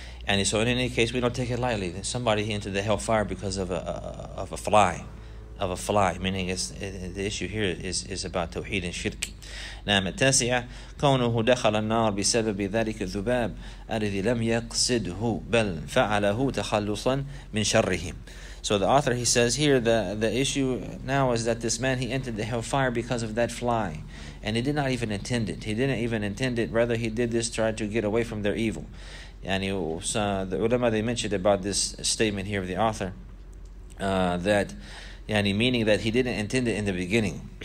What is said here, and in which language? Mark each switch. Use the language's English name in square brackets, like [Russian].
[English] And so in any case, we don't take it lightly. There's somebody into the hellfire because of a fly. Meaning, the issue here is about tawheed and shirk. [Arabic] نعم التاسعة كونه دخل النار بسبب ذلك الذباب الذي لم يقصده بل فعله تخلصا من شره. [English] So the author, he says here, the issue now is that this man, he entered the hellfire because of that fly, and he did not even intend it. Rather, he did this, tried to get away from their evil. And the ulama, they mentioned about this statement here of the author, that yani, meaning that he didn't intend it in the beginning.